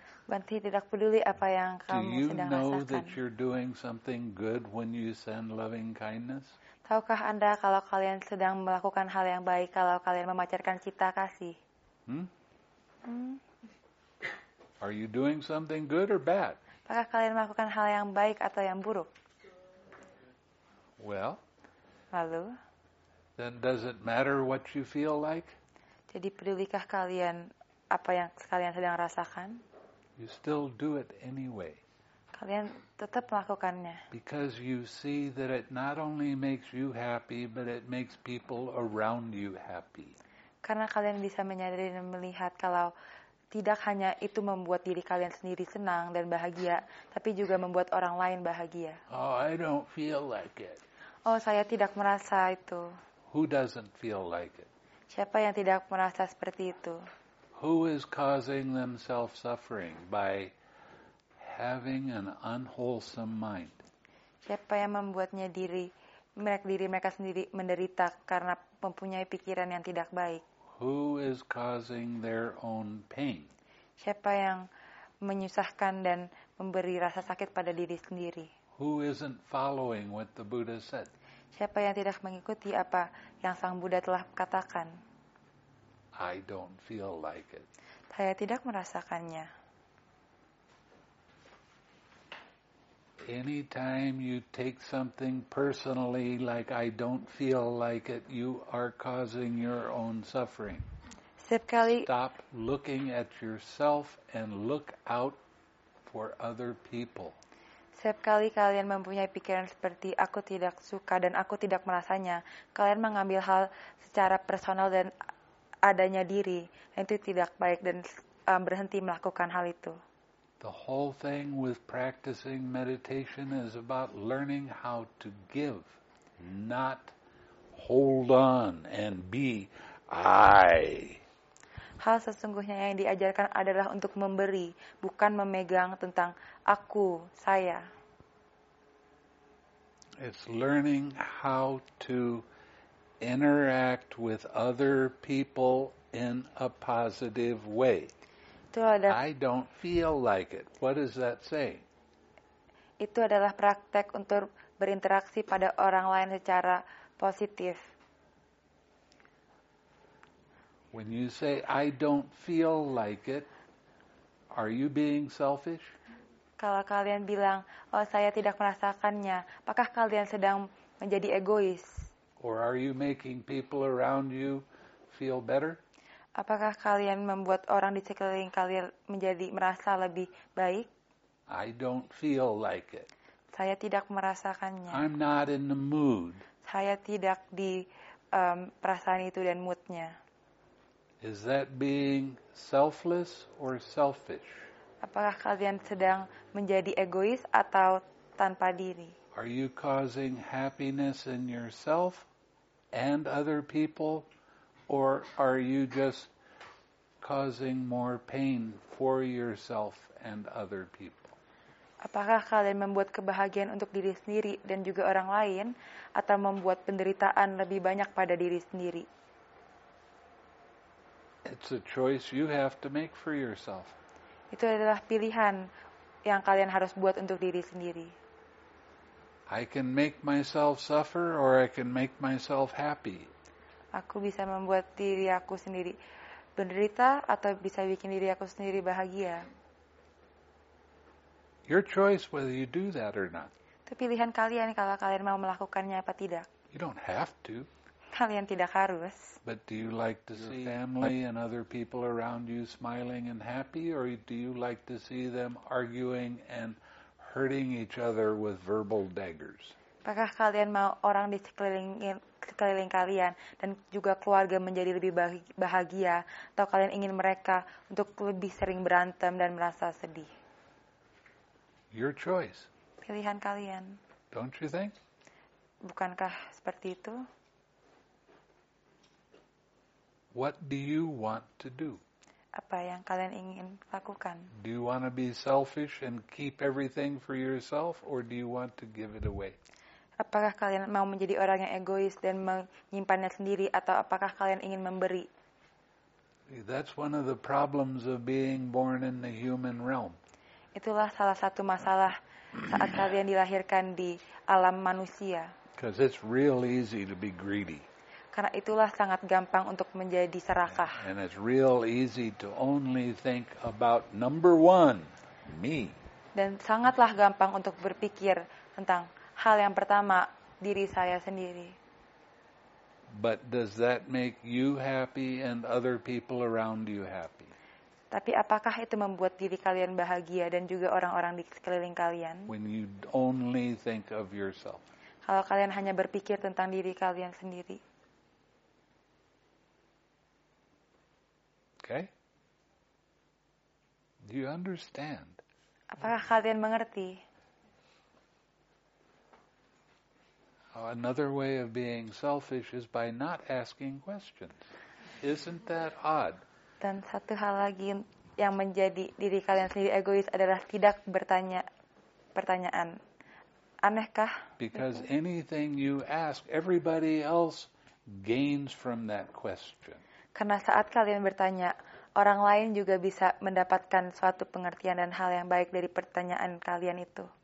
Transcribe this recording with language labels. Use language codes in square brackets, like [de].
[id] Bante tidak peduli apa yang kamu sedang rasakan. [en] Do you know that you're doing something good when you send loving kindness? [id] Tahukah Anda kalau kalian sedang melakukan hal yang baik kalau kalian memancarkan cinta kasih? [en] Are you doing something good or bad? [id] Apakah kalian melakukan hal yang baik atau yang buruk? [en] Well. [id] Lalu? [en] Then does it matter what you feel like? [id] Jadi pedulikah kalian apa yang kalian sedang rasakan? [en] You still do it anyway. [id] Kalian tetap melakukannya. [en] Because you see that it not only makes you happy, but it makes people around you happy. [id] Karena kalian bisa menyadari dan melihat kalau tidak hanya itu membuat diri kalian sendiri senang dan bahagia, tapi juga membuat orang lain bahagia. [en] Oh, I don't feel like it. [id] Oh, saya tidak merasa itu. [en] Who doesn't feel like it? [id] Siapa yang tidak merasa seperti itu? [en] Who is causing themselves suffering by having an unwholesome mind? [id] Siapa yang membuatnya mereka sendiri menderita karena mempunyai pikiran yang tidak baik? [en] Who is causing their own pain? [id] Siapa yang menyusahkan dan memberi rasa sakit pada diri sendiri? [en] Who isn't following what the Buddha said? [id] Siapa yang tidak mengikuti apa yang Sang Buddha telah katakan? [en] I don't feel like it. [id] Saya tidak merasakannya. [en] Anytime you take something personally, like I don't feel like it, you are causing your own suffering. Stop looking at yourself and look out for other people. [id] Setiap kali kalian mempunyai pikiran seperti aku tidak suka dan aku tidak merasanya, kalian mengambil hal secara personal dan adanya diri, itu tidak baik dan berhenti melakukan hal itu. [en] The whole thing with practicing meditation is about learning how to give, not hold on and be I. [id] Hal sesungguhnya yang diajarkan adalah untuk memberi, bukan memegang tentang aku, saya. [en] It's learning how to interact with other people in a positive way. I don't feel like it. What does that say? [id] Itu adalah praktek untuk berinteraksi pada orang lain secara positif. [en] When you say I don't feel like it, are you being selfish? [id] Kalau kalian bilang, oh saya tidak merasakannya, apakah kalian sedang menjadi egois? [en] Or are you making people around you feel better? [id] Apakah kalian membuat orang di sekeliling kalian menjadi merasa lebih baik? [en] I don't feel like it. [id] Saya tidak merasakannya. [en] I'm not in the mood. [id] Saya tidak di perasaan itu dan moodnya. [en] Is that being selfless or selfish? [id] Apakah kalian sedang menjadi egois atau tanpa diri? [en] Are you causing happiness in yourself and other people, or are you just causing more pain for yourself and other people? [id] Apakah kalian membuat kebahagiaan untuk diri sendiri dan juga orang lain, atau membuat penderitaan lebih banyak pada diri sendiri? [en] It's a choice you have to make for yourself. [id] Itu adalah pilihan yang kalian harus buat untuk diri sendiri. [en] I can make myself suffer or I can make myself happy. [id] Aku bisa membuat diri aku sendiri menderita atau bisa bikin diri aku sendiri bahagia. [en] Your choice whether you do that or not. [id] Itu pilihan kalian kalau kalian mau melakukannya apa tidak. [en] You don't have to. [id] Kalian tidak harus. [en] But do you like to see family and other people around you smiling and happy, or do you like to see them arguing and hurting each other with verbal daggers? [id] Apakah kalian mau orang di sekeliling kalian dan juga keluarga menjadi lebih bahagia, atau kalian ingin mereka untuk lebih sering berantem dan merasa sedih? [en] Your choice. [id] Pilihan kalian. [en] Don't you think? [id] Bukankah seperti itu? [en] What do you want to do? [id] Apa yang kalian ingin lakukan? [en] Do you want to be selfish and keep everything for yourself, or do you want to give it away? [id] Apakah kalian mau menjadi orang yang egois dan menyimpannya sendiri, atau apakah kalian ingin memberi? [en] That's one of the problems of being born in the human realm. [id] Itulah salah satu masalah saat kalian dilahirkan di alam manusia. [en] Because it's real easy to be greedy. [id] Karena itulah sangat gampang untuk menjadi serakah. [en] And it's real easy to only think about number one, me. [id] Dan sangatlah gampang untuk berpikir tentang hal yang pertama, diri saya sendiri. [en] But does that make you happy and other people around you happy? [id] Tapi apakah itu membuat diri kalian bahagia dan juga orang-orang di sekeliling kalian? [en] When you only think of yourself. [id] Kalau kalian hanya berpikir tentang diri kalian sendiri. [en] Okay. Do you understand? [id] Apakah kalian mengerti? [en] Another way of being selfish is by not asking questions. Isn't that odd? [id] Dan satu hal lagi yang menjadi diri kalian sendiri egois adalah tidak bertanya pertanyaan. Anehkah? [en] Because anything you ask, everybody else gains from that question. [id] Karena saat kalian bertanya, orang lain juga bisa mendapatkan suatu pengertian dan hal yang baik dari pertanyaan kalian itu.